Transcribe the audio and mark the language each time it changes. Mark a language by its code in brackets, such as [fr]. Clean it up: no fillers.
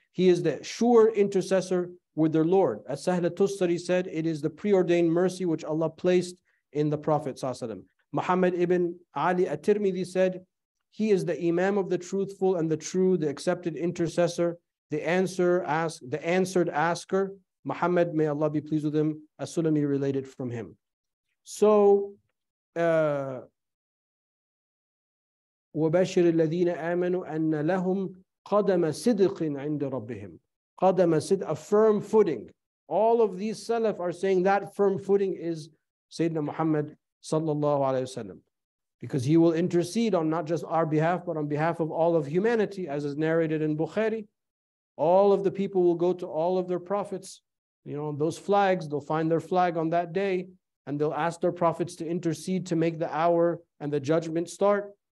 [en] He is the sure intercessor with their Lord. As Sahl al-Tustari said, it is the preordained mercy which Allah placed in the Prophet sallallahu alayhi wa sallam. Muhammad ibn Ali al-Tirmidhi said, he is the Imam of the truthful and the true, the accepted intercessor, the answered asker. Muhammad, may Allah be pleased with him, As-Sulami related from him. [ar] So, وَبَشِّرِ الَّذِينَ آمَنُوا أَنَّ لَهُمْ قَدَمَ صِدْقٍ عِنْدَ رَبِّهِمْ قَدَمَ صِدْقٍ, [en] a firm footing. All of these salaf are saying that firm footing is Sayyidina Muhammad sallallahu alayhi wa sallam. Because he will intercede on not just our behalf, but on behalf of all of humanity, as is narrated in Bukhari. All of the people will go to all of their prophets, you know, those flags, they'll find their flag on that day, and they'll ask their prophets to intercede to make the hour and the judgment start.